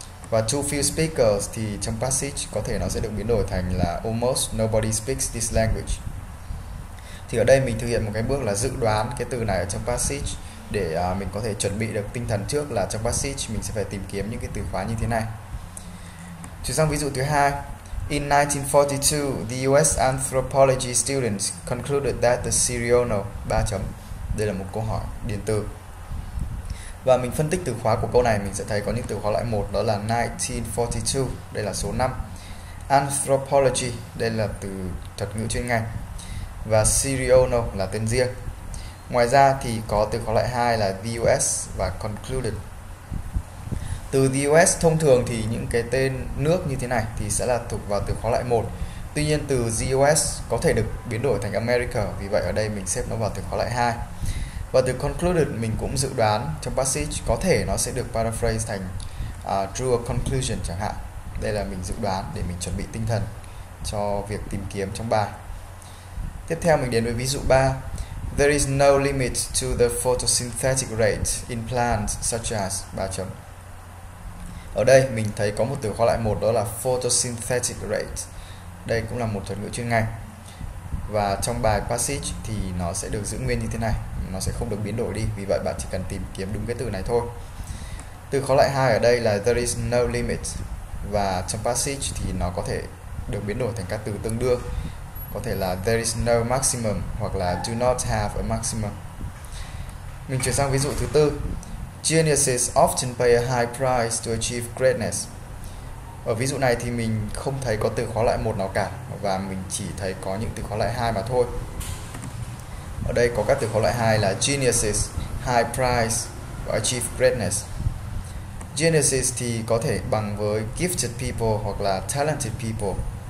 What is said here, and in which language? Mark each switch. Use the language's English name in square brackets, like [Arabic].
[Vietnamese] Và [English] too few speakers [Vietnamese] thì trong passage có thể nó sẽ được biến đổi thành là [English] almost nobody speaks this language. [Vietnamese] Thì ở đây mình thực hiện một cái bước là dự đoán cái từ này ở trong passage để mình có thể chuẩn bị được tinh thần trước là trong passage mình sẽ phải tìm kiếm những cái từ khóa như thế này. Chuyển sang ví dụ thứ hai. [English] In 1942, the US anthropology students concluded that the Siriono [Vietnamese] 3 chấm. Đây là một câu hỏi điền từ. Và mình phân tích từ khóa của câu này, mình sẽ thấy có những từ khóa loại 1, đó là 1942, đây là số 5. Anthropology, đây là từ thuật ngữ chuyên ngành. Và Siriono là tên riêng. Ngoài ra thì có từ khóa loại 2 là the US và concluded. Từ the US thông thường thì những cái tên nước như thế này thì sẽ là thuộc vào từ khóa loại 1. Tuy nhiên từ the US có thể được biến đổi thành America, vì vậy ở đây mình xếp nó vào từ khóa loại 2. Và từ concluded mình cũng dự đoán trong passage có thể nó sẽ được paraphrase thành [English] draw a conclusion [Vietnamese] chẳng hạn. Đây là mình dự đoán để mình chuẩn bị tinh thần cho việc tìm kiếm trong bài. Tiếp theo mình đến với ví dụ 3. [English] There is no limit to the photosynthetic rate in plants such as [Vietnamese] 3 chấm. Ở đây mình thấy có một từ khóa lại một đó là photosynthetic rate. Đây cũng là một thuật ngữ chuyên ngành. Và trong bài passage thì nó sẽ được giữ nguyên như thế này, nó sẽ không được biến đổi đi, vì vậy bạn chỉ cần tìm kiếm đúng cái từ này thôi. Từ khóa lại hai ở đây là [English] there is no limit, [Vietnamese] và trong passage thì nó có thể được biến đổi thành các từ tương đương, có thể là [English] there is no maximum [Vietnamese] hoặc là [English] do not have a maximum. [Vietnamese] Mình chuyển sang ví dụ thứ tư. [English] Geniuses often pay a high price to achieve greatness. [Vietnamese] Ở ví dụ này thì mình không thấy có từ khóa lại một nào cả, và mình chỉ thấy có những từ khóa lại hai mà thôi. Ở đây có các từ khóa lại hai là geniuses, [English] high price [Vietnamese] và [English] achieve greatness. [Vietnamese] Geniuses thì có thể bằng với [English] gifted people [Vietnamese] hoặc là [English] talented people.